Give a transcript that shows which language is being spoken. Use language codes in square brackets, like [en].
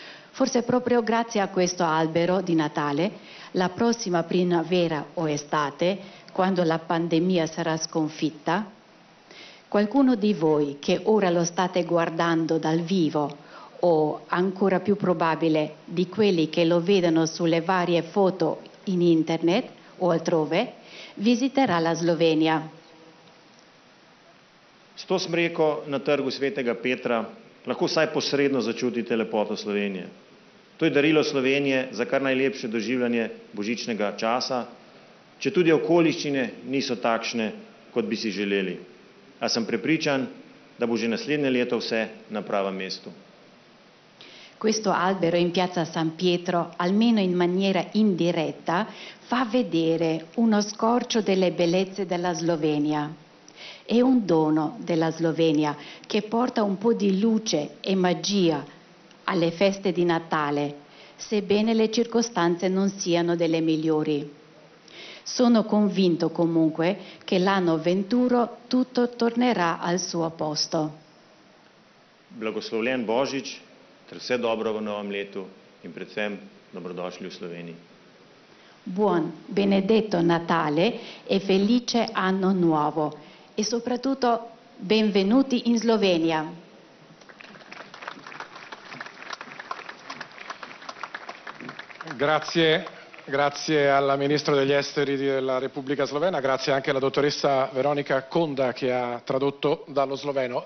[it] Forse proprio grazie a questo albero di Natale, la prossima primavera o estate, quando la pandemia sarà sconfitta, qualcuno di voi che ora lo state guardando dal vivo, o ancora più probabile di quelli che lo vedono sulle varie foto in internet o altrove, visiterà la Slovenia. [sl] Sto smreko na trgu Svetega Petra lahko vsaj posredno začutite lepoto Slovenije. To je darilo Slovenije za kar najlepše doživljanje božičnega časa, če tudi okoliščine niso takšne, kot bi si želeli. A sem prepričan, da bo že naslednje leto vse na pravem mestu. [it] Questo albero in piazza San Pietro, almeno in maniera indiretta, fa vedere uno scorcio delle bellezze della Slovenia. È un dono della Slovenia che porta un po' di luce e magia alle feste di Natale, sebbene le circostanze non siano delle migliori. Sono convinto comunque che l'anno venturo tutto tornerà al suo posto. [sl] Blagoslovljen Božič, ter vse dobro v novem letu in predvsem dobrodošli v Sloveniji. [it] Buon benedetto Natale e felice anno nuovo e soprattutto benvenuti in Slovenia. Grazie. Grazie alla Ministra degli Esteri della Repubblica Slovena, grazie anche alla dottoressa Veronica Konda che ha tradotto dallo sloveno.